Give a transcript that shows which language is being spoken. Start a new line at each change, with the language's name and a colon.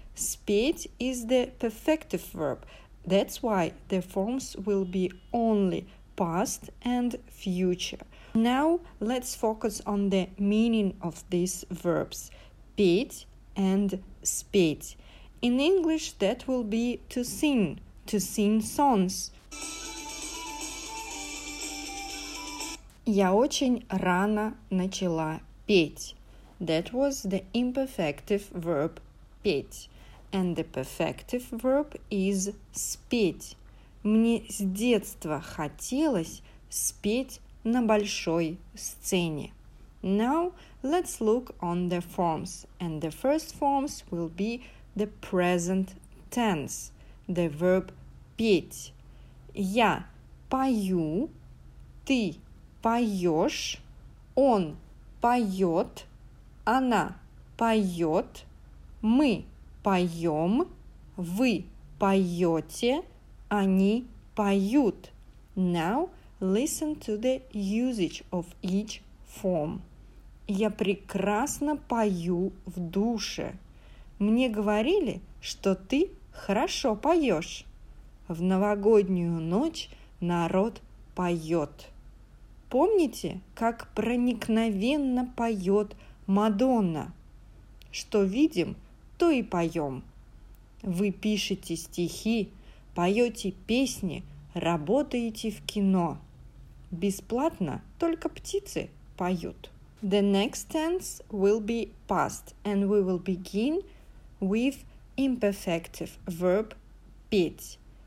English: Спеть is the perfective verb. That's why the forms will be only past and future. Now, let's focus on the meaning of these verbs.
Russian: Петь and спеть.
English: In English, that will be to sing songs.
Russian: Я очень рано начала петь.
English: That was the imperfective verb петь. And the perfective verb is спеть.
Russian: Мне с детства хотелось спеть на большой сцене.
English: Now let's look on the forms. And the first forms will be the present tense. The verb петь.
Russian: Я пою, ты поёшь, он поёт, она поёт, мы поём, вы поёте, они поют.
English: Now listen to the usage of each form.
Russian: Я прекрасно пою в душе. Мне говорили, что ты хорошо поёшь. В новогоднюю ночь народ поёт. Помните, как проникновенно поет Мадонна? Что видим, то и поем. Вы пишете стихи, поете песни, работаете в кино. Бесплатно только птицы поют.
English: The next tense will be past, and we will begin with imperfective verb петь.